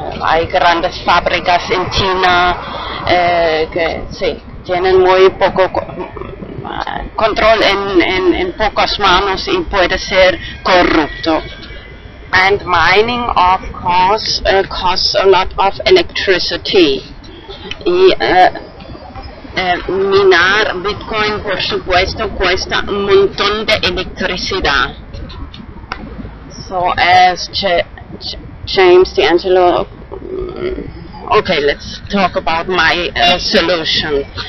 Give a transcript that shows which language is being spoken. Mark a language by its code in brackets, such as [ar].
[es] Hay grandes fábricas en China que sí, tienen muy poco control en pocas manos y puede ser corrupto. [en] And mining, of course, costs a lot of electricity. [es] Y minar Bitcoin, por supuesto, cuesta un montón de electricidad. [en] So as James D'Angelo, okay, let's talk about my solution.